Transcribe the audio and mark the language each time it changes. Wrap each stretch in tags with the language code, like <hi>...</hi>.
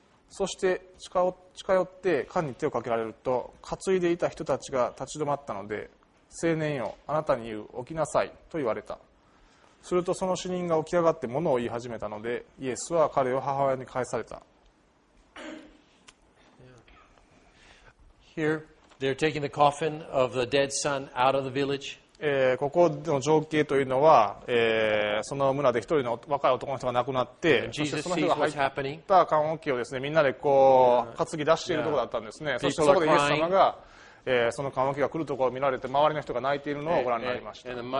<ja>そして近寄って缶に手をかけられると、担いでいた人たちが立ち止まったので、青年よ、あなたに言う、起きなさいと言われた。するとその死人が起き上がって物を言い始めたので、イエスは彼を母親に返された。</ja> <en>Here. They're taking the coffin of the dead son out of the village.</en> <ja>ここの情景というのは、その村で一人の若い男の人が亡くなって、そしてその人が入った棺桶をですね、みんなでこう担ぎ出しているところだったんですね。そしてそこでイエス様が、その棺桶が来るところを見られて、周りの人が泣いているのをご覧になりました。</ja>